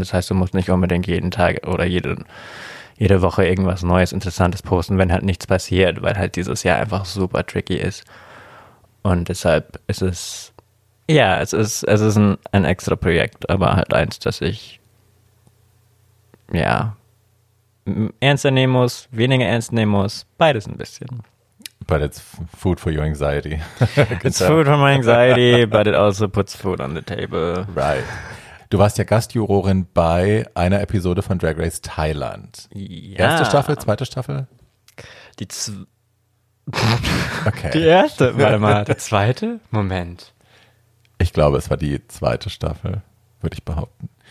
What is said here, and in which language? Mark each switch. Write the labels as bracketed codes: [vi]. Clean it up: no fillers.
[de] Das heißt, du musst nicht unbedingt jeden Tag oder jede Woche irgendwas Neues, Interessantes posten, wenn halt nichts passiert, weil halt dieses Jahr einfach super tricky ist. Und deshalb ist es, ja, es ist ein extra Projekt, aber halt eins, das ich, ja, ernster nehmen muss, weniger ernst nehmen muss, beides ein bisschen. [en] But it's food for your anxiety. It's food for my anxiety, but it also puts food on the table. Right. [de] Du warst ja Gastjurorin bei einer Episode von Drag Race Thailand. Ja. Erste Staffel, zweite Staffel? Okay. Die erste, warte mal, die zweite? Moment. Ich glaube, es war die zweite Staffel, würde ich behaupten.